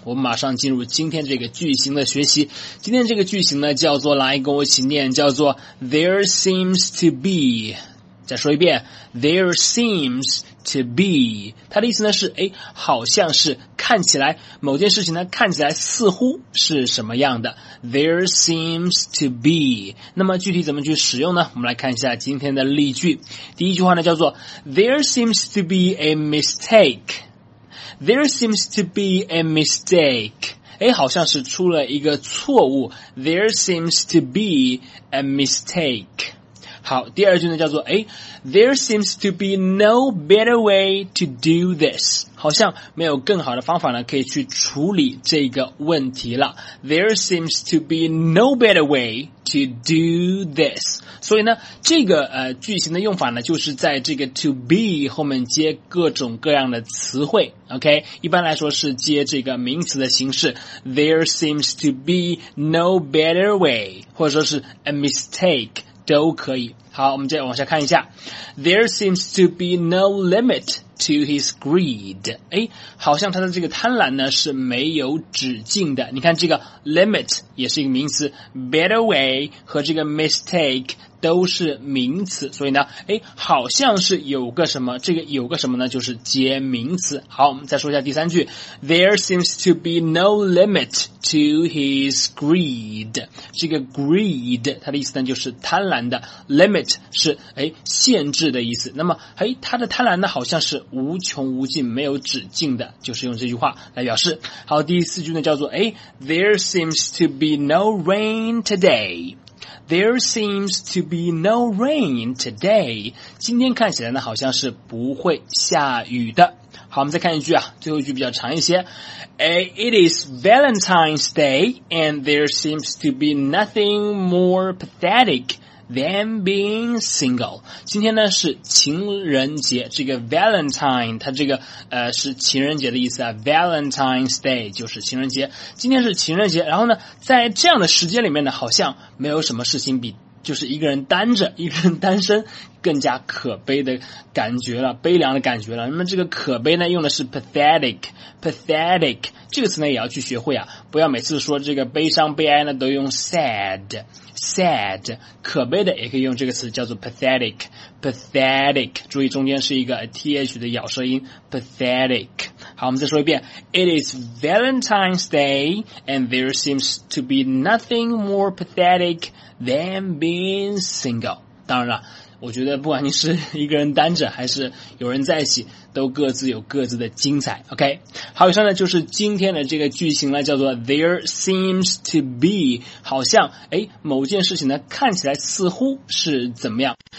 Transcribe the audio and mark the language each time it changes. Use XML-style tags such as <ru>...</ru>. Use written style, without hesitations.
<zh>我们马上进入今天这个句型的学习。今天这个句型呢叫做，来跟我一起念，叫做</zh> <en>There seems to be。</en> <zh>再说一遍，</zh> <en>There seems to be。</en> <zh>它的意思呢是，诶，好像是，看起来，某件事情呢看起来似乎是什么样的。</zh> <en>There seems to be。</en> <zh>那么具体怎么去使用呢？我们来看一下今天的例句。第一句话呢叫做</zh> <en>There seems to be a mistake。 There seems to be a mistake。</en> <zh>诶，好像是出了一个错误。</zh> <en>There seems to be a mistake。</en> <zh>好，第二句呢叫做，诶，</zh> <en>There seems to be no better way to do this。</en> <zh>好像没有更好的方法呢可以去处理这个问题了。</zh> <en>There seems to be no better way to do this。</en> <zh>所以呢这个句型的用法呢就是在这个 to be 后面接各种各样的词汇， OK， 一般来说是接这个名词的形式。</zh> <en>There seems to be no better way，</en> <zh>或者说是</zh> <en>a mistake</en> <zh>都可以。好，我们再往下看一下。</zh> <en>There seems to be no limit to his greed。</en> <zh>诶，好像他的这个贪婪呢是没有止境的。你看这个 limit 也是一个名词， better way 和这个 mistake 都是名词，所以呢，诶，好像是有个什么，这个有个什么呢就是接名词。好，我们再说一下第三句。</zh> <en>There seems to be no limit to his greed。</en> <zh>这个 greed 它的意思呢就是贪婪的， limit 是，诶，限制的意思。那么，诶，它的贪婪呢好像是无穷无尽没有止境的，就是用这句话来表示。好，第四句呢叫做，诶，</zh> <en>There seems to be no rain today。 There seems to be no rain today。</en> <zh>今天看起来呢好像是不会下雨的。好，我们再看一句啊，最后一句比较长一些。</zh> <en>It is Valentine's Day and there seems to be nothing more pathetic than being single。</en> <zh>今天呢是情人节，这个 Valentine 它这个是情人节的意思啊， Valentine's Day 就是情人节。今天是情人节，然后呢在这样的时间里面呢好像没有什么事情比就是一个人单着，一个人单身更加可悲的感觉了，悲凉的感觉了。那么这个可悲呢用的是 pathetic， pathetic 这个词呢也要去学会啊，不要每次说这个悲伤悲哀呢都用 sad， sad， 可悲的也可以用这个词叫做 pathetic， pathetic， 注意中间是一个 th 的咬舌音， pathetic。好，我们再说一遍。</zh> <en>It is Valentine's Day and there seems to be nothing more pathetic than being single。</en> <zh>当然了，我觉得不管你是一个人单着还是有人在一起，都各自有各自的精彩， OK。好，以上呢就是今天的这个句型呢，叫做</zh> <en>There seems to be，</en> <zh>好像，诶，某件事情呢看起来似乎是怎么样。</zh>